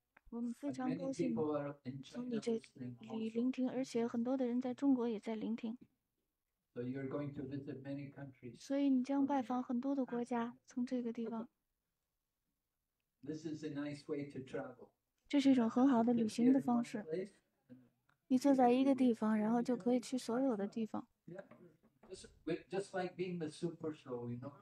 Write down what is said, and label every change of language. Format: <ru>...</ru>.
<zh>我们非常高兴从你这里聆听，而且很多的人在中国也在聆听。</zh> <en>So you're going to visit many countries.</en> <zh>所以你将拜访很多的国家，从这个地方。</zh> <en>This is a nice way to travel.</en> <zh>这是一种很好的旅行的方式。你坐在一个地方，然后就可以去所有的地方。</zh> <en>Yeah, just like being the super soul, you know.</en>